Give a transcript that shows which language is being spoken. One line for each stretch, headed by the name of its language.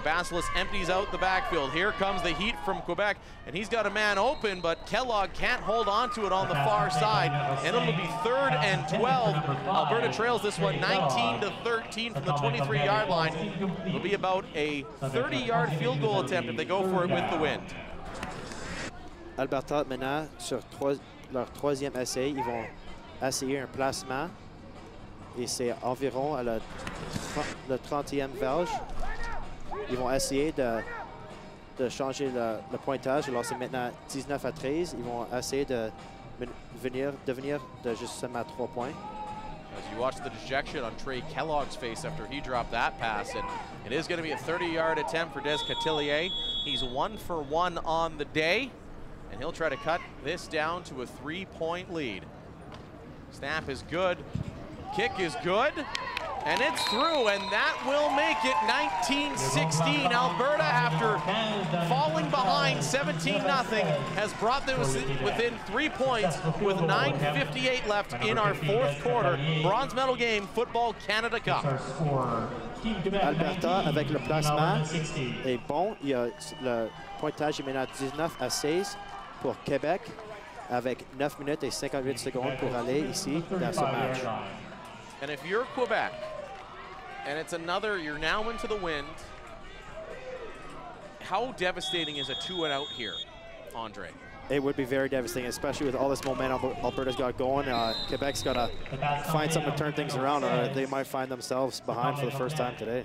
English: Vasilis empties out the backfield. Here comes the heat from Quebec, and he's got a man open, but Kellogg can't hold on to it on the far side, and it'll be third and 12. Alberta trails this one 19-13 from the 23-yard line. It'll be about a 30-yard field goal attempt if they go for it with the wind.
French: Alberta maintenant sur leur troisième essai, ils vont essayer un placement. Et c'est environ à le 30e verge. Ils vont essayer de changer le pointage. Alors c'est maintenant 19-13. Ils vont essayer de devenir de juste seulement 3 points.
English: As you watch the dejection on Trey Kellogg's face after he dropped that pass, and it is going to be a 30-yard attempt for Des Cotillier. He's 1-for-1 on the day, and he'll try to cut this down to a 3-point lead. Snap is good. Kick is good, and it's through, and that will make it 19-16. Alberta, after falling behind 17-0, has brought this within 3 points with 9:58 left in our fourth quarter. Bronze medal game, Football Canada Cup.
French: Alberta, avec le placement, est bon. Il y a le pointage maintenant 19-16 pour Québec, avec 9 minutes et 58 secondes pour aller ici dans ce match.
English: And if you're Quebec, and it's another, you're now into the wind, how devastating is a two and out here, Andre? It would be very devastating, especially with all this momentum Alberta's got going. Quebec's got to find something to turn things around, or they might find themselves behind for the first time today.